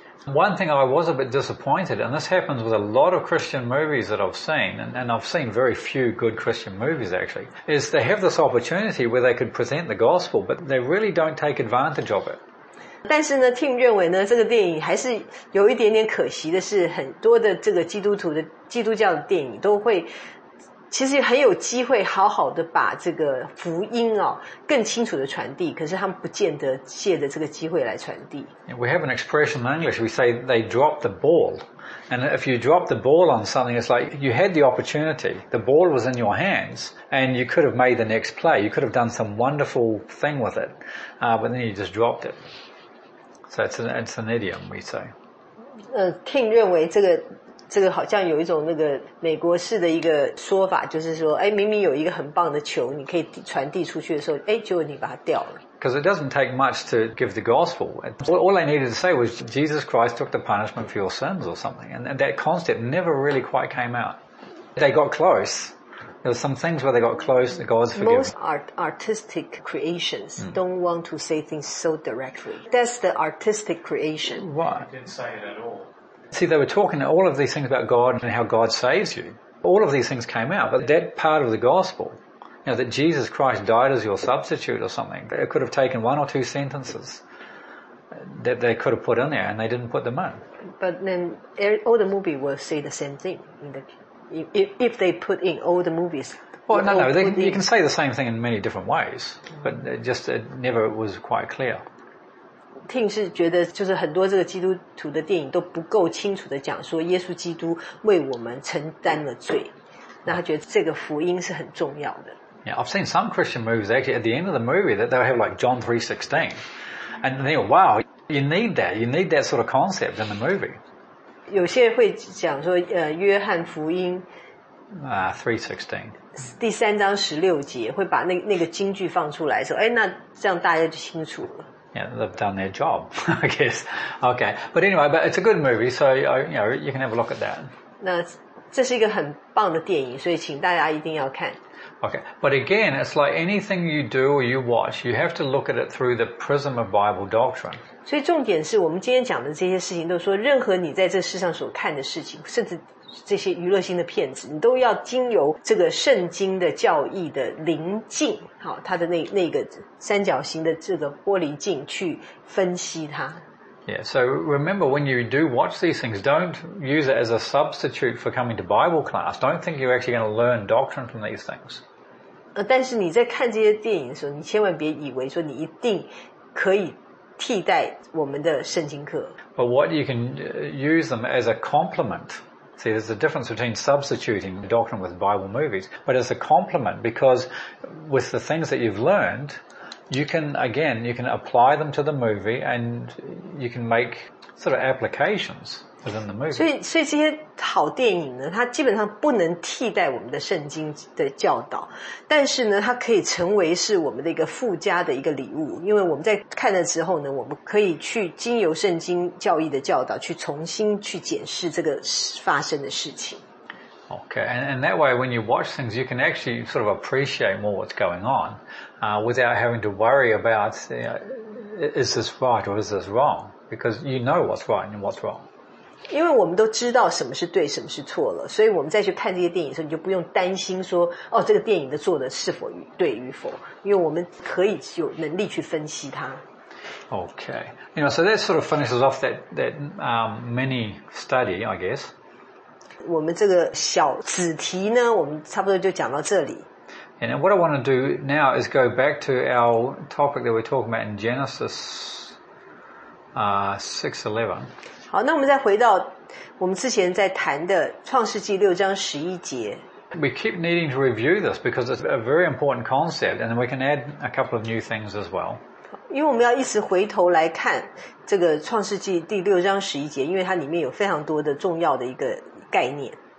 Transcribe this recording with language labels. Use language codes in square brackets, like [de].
[en] One thing I was a bit disappointed, and this happens with a lot of Christian movies that I've seen, and I've seen very few good Christian movies actually, is they have this opportunity where they could present the gospel, but they really don't take advantage of it. [zh] 但是呢 Tim 认为呢这个电影还是有一点点可惜的是很多的这个基督教的电影都会其实很有机会好好的把这个福音哦更清楚的传递，可是他们不见得借着这个机会来传递。 [en] We have an expression in English, we say they drop the ball. And if you drop the ball on something, it's like you had the opportunity, the ball was in your hands, and you could have made the next play, you could have done some wonderful thing with it, but then you just dropped it. So it's an idiom, we say. [zh] King 认为这个好像有一种那个美国式的一个说法，就是说，哎，明明有一个很棒的球，你可以传递出去的时候，哎，结果你把它掉了。 [en] Because it doesn't take much to give the gospel. All I needed to say was Jesus Christ took the punishment for your sins or something, and that concept never really quite came out. They got close. There were some things where they got close. The God's forgiven. Most artistic creations don't want to say things so directly. That's the artistic creation. Why? Didn't say it at all. See, they were talking all of these things about God and how God saves you. All of these things came out, but that part of the gospel, you know, that Jesus Christ died as your substitute or something, it could have taken one or two sentences that they could have put in there and they didn't put them in. But then all the movies will say the same thing. If they put in all the movies... Well, no, you can say the same thing in many different ways, but it never was quite clear. [zh] 听是觉得就是很多这个基督徒的电影都不够清楚的讲说耶稣基督为我们承担了罪，那他觉得这个福音是很重要的。 [en] Yeah, I've seen some Christian movies actually at the end of the movie that they'll have like John 3:16, and then wow, you need that sort of concept in the movie. [zh] 有些人会讲说约翰福音 3:16。第三章十六节会把那个金句放出来说，哎，那这样大家就清楚了。 [en] Yeah, they've done their job, I guess. Okay, but anyway, but it's a good movie, so you know you can have a look at that. [zh] 那这是一个很棒的电影，所以请大家一定要看。 [en] Okay, but again, it's like anything you do or you watch, you have to look at it through the prism of Bible doctrine. [zh] 所以重点是我们今天讲的这些事情，都说任何你在这世上所看的事情，甚至这些娱乐性的片子，你都要经由这个圣经的教义的灵镜，好，它的那个三角形的这个玻璃镜去分析它。 [en] Yeah, so remember when you do watch these things, don't use it as a substitute for coming to Bible class. Don't think you're actually going to learn doctrine from these things. [zh] 但是你在看这些电影的时候，你千万别以为说你一定可以替代我们的圣经课。 [en] But what you can use them as a complement. See, there's a difference between substituting the doctrine with Bible movies, but as a complement, because with the things that you've learned, you can apply them to the movie and you can make sort of applications within the movie. [zh] 所以这些好电影呢，它基本上不能替代我们的圣经的教导，但是呢，它可以成为是我们的一个附加的一个礼物，因为我们在看的时候呢，我们可以去经由圣经教义的教导去重新去检视这个发生的事情。 [en] Okay, and that way when you watch things, you can actually sort of appreciate more what's going on, without having to worry about, you know, is this right or is this wrong? Because you know what's right and what's wrong. [zh] 因为我们都知道什么是对什么是错了，所以我们再去看这些电影的时候，你就不用担心说哦，这个电影的做的是否对与否，因为我们可以有能力去分析它。 [en] Okay. You know, so that sort of finishes off that mini study, I guess. [zh] 我们这个小子题呢，我们差不多就讲到这里。 [en] And what I want to do now is go back to our topic that we're talking about in Genesis 6:11. [zh] 好，那我们再回到我们之前在谈的创世纪六章十一节。 [en] We keep needing to review this because it's a very important concept, and then we can add a couple of new things as well. [zh] 因为我们要一直回头来看这个创世纪第六章十一节，因为它里面有非常多的重要的一个概念。